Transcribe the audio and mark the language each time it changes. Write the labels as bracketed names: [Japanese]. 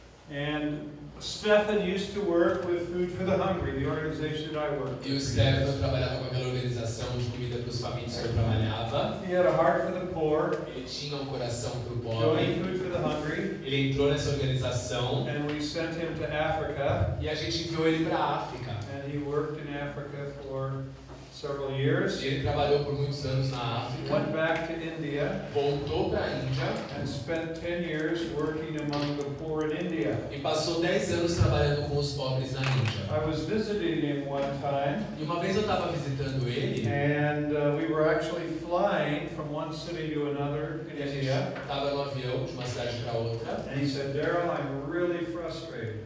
[English] And Stephen used to work with Food for the Hungry, the organization that I worked with. [Portuguese] E o Stephen trabalhava com aquela organização de comida para os famintos que eu trabalhava. [English] He had a heart for the poor. [Portuguese] Ele tinha um coração para o pobre. [English] Joined Food for the Hungry. [Portuguese] Ele entrou nessa organização. [English] And we sent him to Africa. [Portuguese] E a gente enviou ele para a África. [English] And he worked in Africa for several years. [Portuguese] E ele trabalhou por muitos anos na África. [English] Went back to India. [Portuguese] Voltou para a Índia. [English] And spent 10 years working among the poor in India. [Portuguese] E passou 10 anos trabalhando com os pobres na Índia. [English] I was visiting him one time. [Portuguese] E uma vez eu estava visitando ele. [English] And we were actually flying from one city to another in India. [Portuguese] E a gente estava no avião de uma cidade para outra. [English] And he said, "Daryl, I'm really frustrated."